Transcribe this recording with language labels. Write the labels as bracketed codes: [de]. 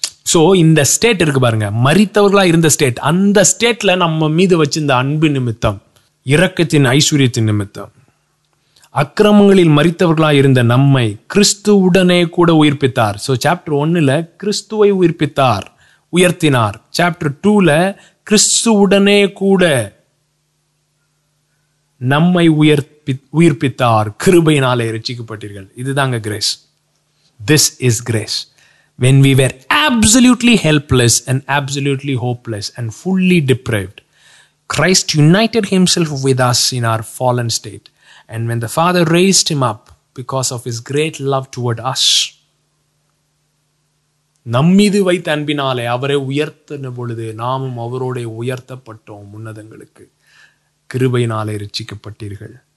[ta] So இந்த state இருக்கு பாருங்க, மரித்தவர்களாக இருந்த ஸ்டேட், அந்த ஸ்டேட்ல நம்ம மீது வச்சிருந்த அன்பு நிமித்தம், இரக்கத்தின் ஐஸ்வர்யத்தின் நிமித்தம், அக்கிரமங்களில் மரித்தவர்களாக இருந்த நம்மை கிறிஸ்து உடனே கூட உயிர்ப்பித்தார். ஸோ சாப்டர் ஒன்னுல கிறிஸ்துவை உயிர்ப்பித்தார், உயர்த்தினார். சாப்டர் டூல கிறிஸ்து உடனே கூட நம்மை உயிர்ப்பித்தார், கிருபையினாலே ரட்சிக்கப்பட்டீர்கள். இதுதாங்க grace. [en] This is grace. When we were absolutely helpless and absolutely hopeless and fully depraved, Christ united himself with us in our fallen state. And when the Father raised him up because of his great love toward us, [ta] நம்மீது வைத்த அன்பினாலே அவரை உயர்த்தின பொழுது நாமும் அவரோட உயர்த்தப்பட்டோம். உன்னதங்களுக்கு கிருபையினாலே ரட்சிக்கப்பட்டீர்கள்.